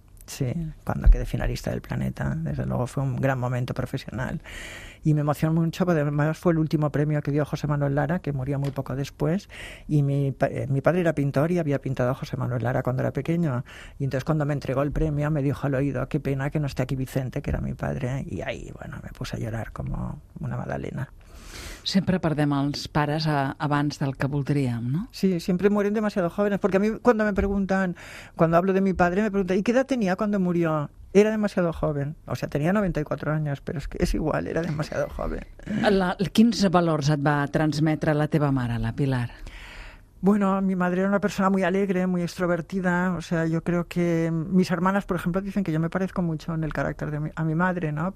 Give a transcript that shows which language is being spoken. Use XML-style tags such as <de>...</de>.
<es>Sí, cuando quedé finalista del Planeta, desde luego fue un gran momento profesional y me emocionó mucho, porque además fue el último premio que dio José Manuel Lara, que murió muy poco después, y mi padre era pintor y había pintado a José Manuel Lara cuando era pequeño, y entonces cuando me entregó el premio me dijo al oído, qué pena que no esté aquí Vicente, que era mi padre, y ahí, bueno, me puse a llorar como una magdalena.</es> <ca>Sempre perdem els pares abans del que voldríem, no?</ca> <es>Sí, siempre mueren demasiado jóvenes, porque a mí cuando me preguntan, cuando hablo de mi padre, me preguntan, ¿y qué edad tenía cuando murió? Era demasiado joven, o sea, tenía 94 años, pero es que es igual, era demasiado joven.</es> <ca>Quins valors et va transmetre la teva mare, la Pilar?</ca> <es>Bueno, mi madre era una persona muy alegre, muy extrovertida, o sea, yo creo que mis hermanas, por ejemplo, dicen que yo me parezco mucho en el carácter de a mi madre, ¿no?</es>